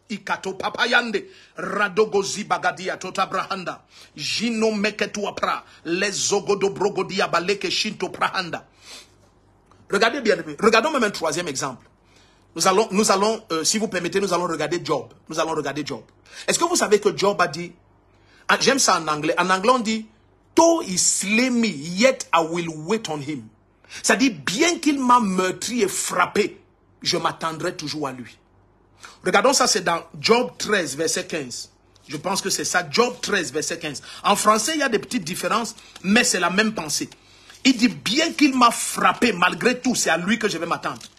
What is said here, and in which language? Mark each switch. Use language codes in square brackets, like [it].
[fr] Ikato papayande, radogozi bagadia tota brahanda, jino meketua pra, lesogodo brogodia baleke shinto prahanda. Regardez bien, regardons même un troisième exemple. Nous allons regarder Job. Nous allons regarder Job. Est-ce que vous savez que Job a dit, j'aime ça en anglais. En anglais on dit, [en] though he slay me, yet I will wait on him. [fr] Ça dit, bien qu'il m'a meurtri et frappé, je m'attendrai toujours à lui. Regardons ça, c'est dans Job 13, verset 15. Je pense que c'est ça, Job 13, verset 15. En français, il y a des petites différences, mais c'est la même pensée. Il dit, bien qu'il m'a frappé, malgré tout, c'est à lui que je vais m'attendre.